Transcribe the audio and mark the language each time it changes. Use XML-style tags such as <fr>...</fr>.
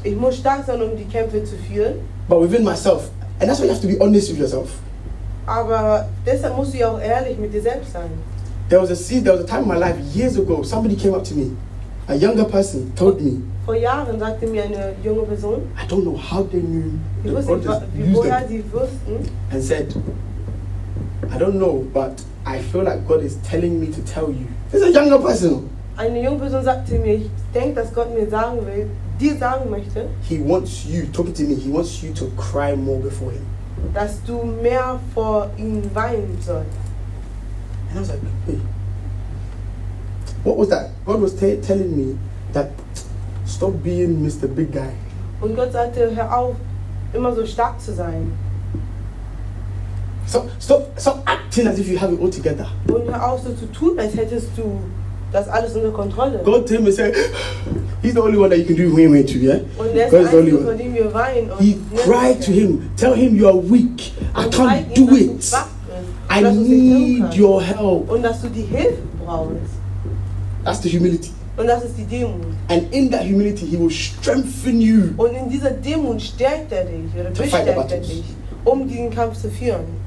<de>Ich muss stark sein, um die Kämpfe zu führen.</de> <en>But within myself, and that's why you have to be honest with yourself.</en> <de>Aber deshalb musst du ja auch ehrlich mit dir selbst sein.</de> <en>There was a time in my life years ago. Somebody came up to me, a younger person, told me.</en> <de>Vor Jahren sagte mir eine junge Person.</de> <en>I don't know how they knew.</en> <de>Wie wussten sie?</de> <en>And said, I don't know, but I feel like God is telling me to tell you. This is a younger person.</en> <de>Eine junge Person sagt zu mir, ich denke, dass Gott mir sagen will, dir sagen möchte.</de> <en>He wants you, talking to me, he wants you to cry more before him.</en> <de>Dass du mehr vor ihm weinen sollst.</de> <en>And I was like, hey, what was that? God was telling me that stop being Mr. Big Guy.</en> <de>Und Gott sagte, hör auf, immer so stark zu sein.</de> <en>So acting as if you have it all together.</en> <de>Und hör auf, so zu tun, als hättest du das alles unter Kontrolle.</de> <en>God told me, say, he's the only one that you can do when you're into, yeah?</en> <de>Und er ist der Einzige, von dem wir weinen.</de> <en>He cried to him, tell him you are weak. I can't do it. I need your help.</en> <de>Und dass du die Hilfe brauchst.</de> <en>That's the humility.</en> <de>Und das ist die Demut.</de> <en>And in that humility, he will strengthen you.</en> <de>Und in dieser Demut stärkt er dich, oder bestärkt er dich, um diesen Kampf zu führen.</de>